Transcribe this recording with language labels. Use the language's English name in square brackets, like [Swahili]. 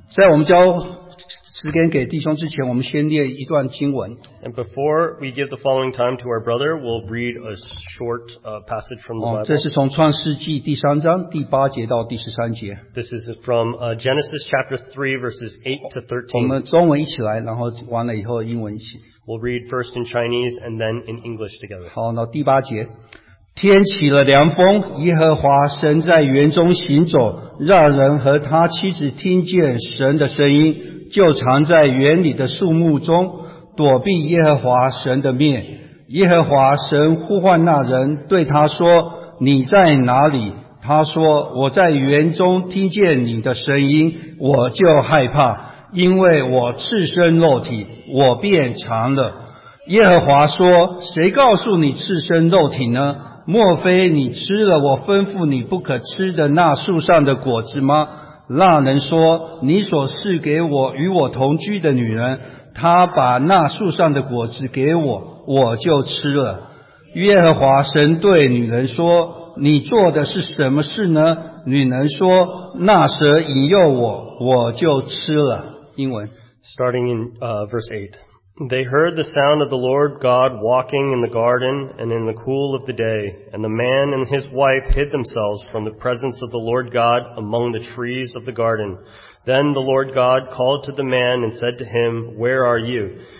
[Chinese] 在我们交时间给弟兄之前，我们先念一段经文。 [English] And before we give the following time to our brother, we'll read a short passage from the Bible. [Chinese] 这是从创世纪第三章第八节到第十三节。 [English] This is from Genesis chapter 3 verses 8 to 13. [Chinese] 我们中文一起来，然后完了以后英文一起。 [English] We'll read first in Chinese and then in English together. [Chinese] 好，那第八节。天起了凉风，耶和华神在园中行走，让人和他妻子听见神的声音，就藏在园里的树木中，躲避耶和华神的面。耶和华神呼唤那人，对他说：“你在哪里？” 他说：“我在园中听见你的声音，我就害怕，因为我赤身肉体，我便藏了。” 耶和华说：“谁告诉你赤身肉体呢？莫非你吃了我吩咐你不可吃的那树上的果子吗？” 那人说：“你所赐给我与我同居的女人，她把那树上的果子给我，我就吃了。” 耶和华神对女人说：“你做的是什么事呢？” 女人说：“那蛇引诱我，我就吃了。” 英文。 [English] Starting in verse 8. They heard the sound of the Lord God walking in the garden and in the cool of the day, and the man and his wife hid themselves from the presence of the Lord God among the trees of the garden. Then the Lord God called to the man and said to him, "Where are you?"